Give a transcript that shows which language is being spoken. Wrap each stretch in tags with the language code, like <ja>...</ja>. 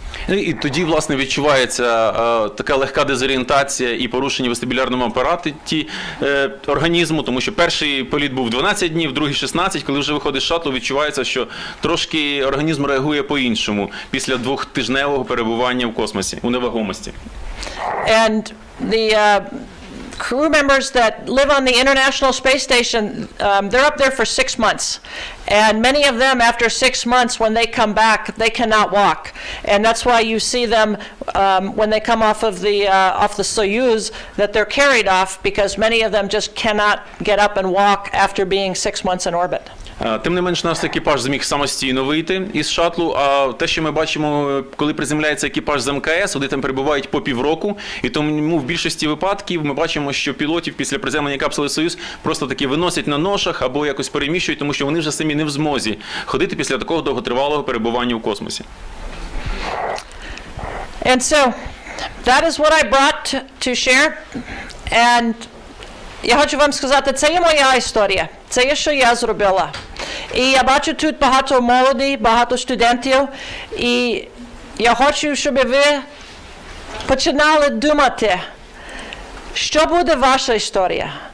<uk>І тоді, власне, відчувається така легка дезорієнтація і порушення в вестибулярному апараті організму, тому що перший політ був 12 днів, другий 16, коли вже виходить з шатлу, відчувається, що трошки організм реагує по-іншому після двохтижневого перебування в космосі, у невагомості.</uk> <en>And the crew members that live on the International Space Station, they're up there for 6 months. And many of them, after 6 months, when they come back, they cannot walk. And that's why you see them, when they come off the Soyuz, that they're carried off, because many of them just cannot get up and walk after being 6 months in orbit.</en> <uk>Тим не менш, наш екіпаж зміг самостійно вийти із шатлу, а те, що ми бачимо, коли приземляється екіпаж з МКС, вони там перебувають по півроку, і тому в більшості випадків ми бачимо, що пілотів після приземлення капсули «Союз» просто таки виносять на ношах або якось переміщують, тому що вони вже самі не в змозі ходити після такого довготривалого перебування у космосі.</uk> <en>And so, that is what I brought to share.</en> <uk>And я хочу вам сказати, це є моя історія. Це є, що я зробила. І я бачу тут багато молоді, багато студентів. І я хочу, щоб ви починали думати, що буде ваша історія.</uk>